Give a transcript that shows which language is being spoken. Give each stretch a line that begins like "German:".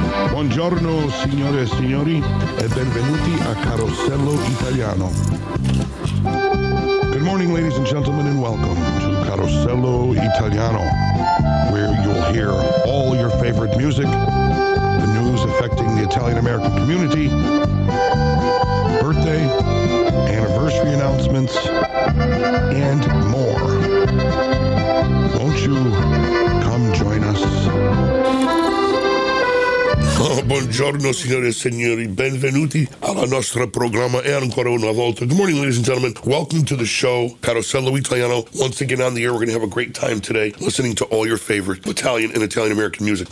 Italian: Buongiorno signore e signori e benvenuti a Carosello Italiano.
English: Good morning, ladies and gentlemen, and welcome to Carosello Italiano, where you'll hear all your favorite music, the news affecting the Italian-American community, birthday, anniversary announcements, and more. Won't you come join us?
Italian: Oh, buongiorno signore e signori, benvenuti alla nostra programma e ancora una volta.
English: Good morning, ladies and gentlemen. Welcome to the show, Carosello Italiano. Once again on the air, we're going to have a great time today listening to all your favorite Italian and Italian-American music.